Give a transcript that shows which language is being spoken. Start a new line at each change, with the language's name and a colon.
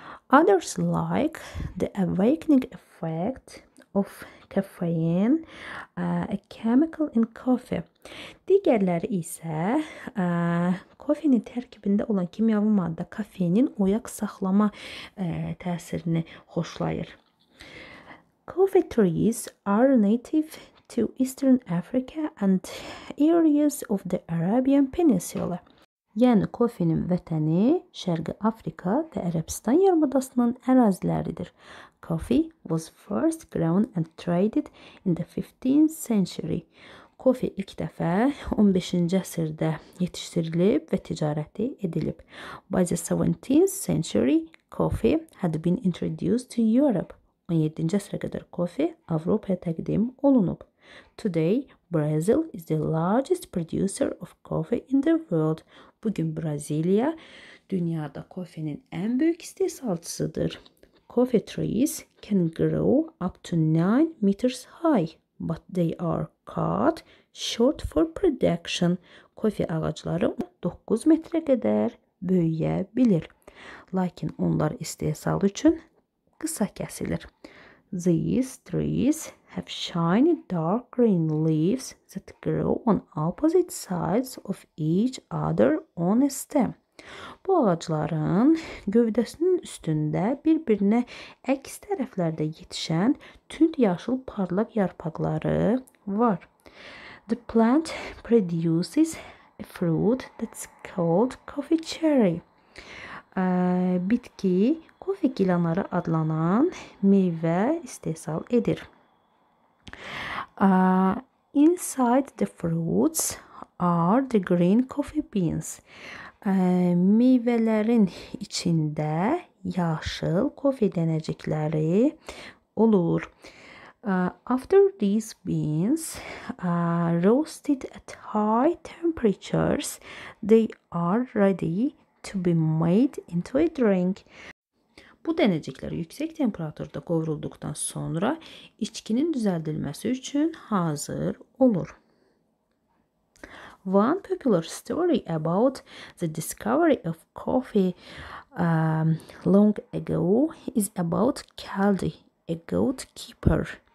English: Others like the awakening effect of caffeine, a chemical in coffee.
Azerbaijani: Digərləri isə kofenin tərkibində olan kimyəvi maddə kafeinin oyaq saxlama təsirini xoşlayır.
English: Coffee trees are native to Eastern Africa and areas of the Arabian Peninsula.
Azerbaijani: Yəni, kofenin vətəni Şərqi Afrika və Ərəbistan yarımadasının əraziləridir.
English: Coffee was first grown and traded in the 15th century.
Azerbaijani: Kofe ilk dəfə 15-ci əsrdə yetişdirilib və ticarəti edilib.
English: By the 17th century, coffee had been introduced to Europe.
Azerbaijani: 17-ci əsrə qədər kofe Avropaya təqdim olunub.
English: Today, Brazil is the largest producer of coffee in the world.
Azerbaijani: Bugün Braziliya dünyada kofenin ən böyük istehsalçısıdır.
English: Coffee trees can grow up to 9 meters high, but they are cut short for production.
Azerbaijani: Kofe ağacları 9 metrə qədər böyüyə bilir, lakin onlar istehsal üçün qısa kəsilir.
English: These trees have shiny dark green leaves that grow on opposite sides of each other on a stem.
Azerbaijani: Bu ağacların gövdəsinin üstündə bir-birinə əks tərəflərdə yetişən tünd yaşıl parlaq yarpaqları var.
English: The plant produces a fruit that's called coffee cherry.
Azerbaijani: Bitki kofe gilanları adlanan meyvə istehsal edir.
English: Inside the fruits are the green coffee beans.
Azerbaijani: Meyvələrin içində yaşıl kofe dənəcikləri olur.
English: After these beans are roasted at high temperatures, they are ready to be made into a drink.
Azerbaijani: Bu dənəcikləri yüksək temperaturda qovrulduqdan sonra içkinin düzəldilməsi üçün hazır olur.
English: One popular story about the discovery of coffee long ago is about Caldy, a goat keeper.